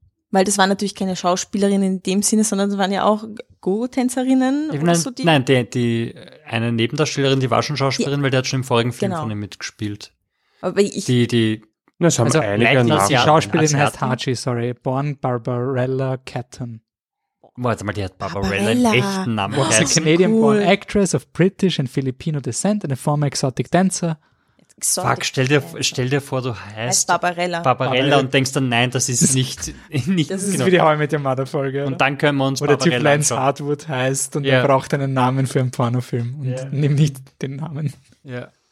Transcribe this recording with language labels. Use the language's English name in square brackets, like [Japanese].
[German] Weil das waren natürlich keine Schauspielerinnen in dem Sinne, sondern das waren ja auch Go-Tänzerinnen. Die eine Nebendarstellerin, die war schon Schauspielerin, weil die hat schon im vorigen Film von ihm mitgespielt. Aber ich. Die Schauspielerin heißt Haji, born Barbarella Catton. Warte mal, die hat Barbarella einen echten Namen. [English] She's a Canadian-born actress of British and Filipino descent and a former exotic dancer. [German] Jetzt Fuck, stell dir vor, du heißt Barbarella. Barbarella und denkst dann, nein, das ist nicht, nicht das ist genau. Wie die Haue mit der Mother-Folge. Und dann können wir uns Barbarella anschauen. Wo der Typ Lance Hartwood heißt und er braucht einen Namen für einen Pornofilm und nimm nicht den Namen. Ja.